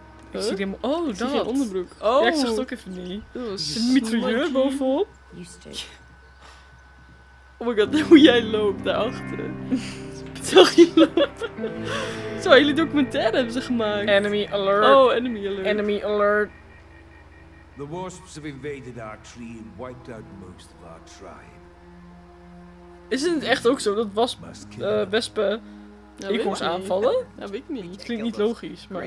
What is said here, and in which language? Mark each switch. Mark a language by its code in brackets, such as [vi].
[nl] Huh? Ik zie hem. Oh, ik dat. Zie je onderbroek. Oh. Ja, ik zag het ook even niet. Dat was een mitrailleur bovenop. Oh my god, hoe jij loopt daarachter. Zag je lopen? Zo, jullie documentaire hebben ze gemaakt. [en] Enemy alert. Oh, enemy alert. Enemy alert. The wasps have invaded our tree and wiped out most of our tribe. [nl] Is het echt ook zo dat wespen eekhoorns aanvallen? Ja, weet ik niet. Het klinkt niet logisch, maar...